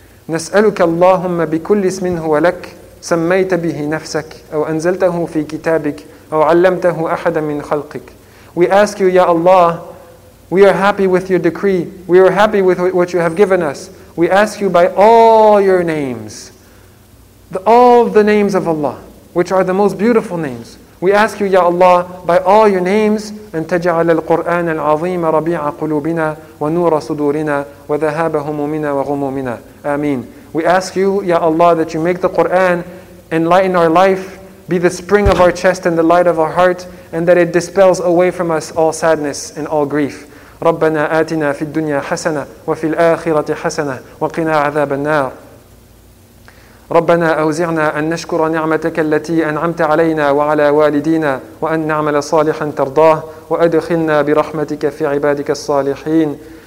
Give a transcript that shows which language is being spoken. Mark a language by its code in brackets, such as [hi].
[ar] نَسْأَلُكَ اللَّهُمَّ بِكُلِّ اسْمٍ هُوَ لَكْ سَمَّيْتَ بِهِ نَفْسَكْ أَوْ أَنزَلْتَهُ فِي كِتَابِكَ أَوْ عَلَّمْتَهُ أَحَدًا مِنْ خَلْقِكَ. [en] We ask you, Ya Allah, we are happy with your decree. We are happy with what you have given us. We ask you by all your names, all the names of Allah, which are the most beautiful names. We ask you, Ya Allah, by all your names, [ar] أن تجعل القرآن العظيم ربيع قلوبنا ونور صدورنا وذهاب همومنا وغمومنا. [en] Amen. We ask you, Ya Allah, that you make the Qur'an enlighten our life, be the spring of our chest and the light of our heart, and that it dispels away from us all sadness and all grief. [ar] ربنا آتنا في الدنيا حسنة وفي الآخرة حسنة وقنا عذاب النار. ربنا أوزعنا أن نشكر نعمتك التي أنعمت علينا وعلى والدينا وأن نعمل صالحا ترضاه وأدخلنا برحمتك في عبادك الصالحين.